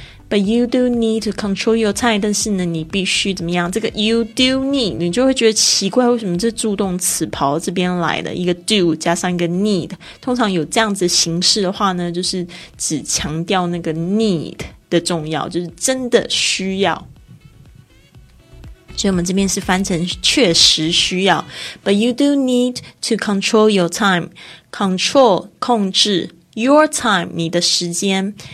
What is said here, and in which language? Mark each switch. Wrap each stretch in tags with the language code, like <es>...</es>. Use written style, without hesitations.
<en>But you do need to control your time，</en> <zh>但是呢你必须怎么样，这个</zh> <en>you do need</en> <zh>你就会觉得奇怪，为什么这助动词跑到这边来的，一个 do 加上一个 need， 通常有这样子形式的话呢，就是只强调那个 need 的重要，就是真的需要，所以我们这边是翻成确实需要。</zh> <en>But you do need to control your time.</en> <zh>Control 控制</zh> <en>your time</en> <zh>你的时间。</zh>